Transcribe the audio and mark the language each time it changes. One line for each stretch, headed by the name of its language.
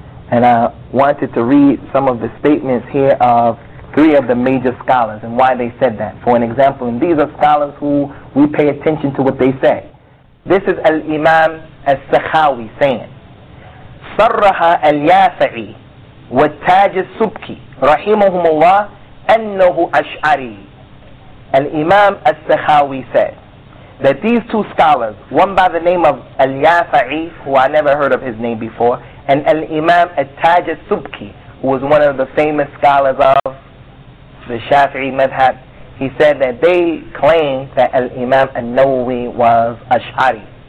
English: And I wanted to read some of the statements here of three of the major scholars and why they said that. For an example, and these are scholars who we pay attention to what they say. This is Al-Imam As-Sakhawi saying,
Arabic: صَرَّحَ الْيَافَعِي وَالتَّاجِ السُّبْكِي رَحِمَهُمُ اللَّهِ أَنَّهُ أَشْعَرِي.
English: Al-Imam As-Sakhawi said that these two scholars, one by the name of Al-Yafa'i, who I never heard of his name before, and Al-Imam At-Taj As-Subki, who was one of the famous scholars of the Shafi'i Madhab, he said that they claimed that Al-Imam An-Nawawi was Ash'ari.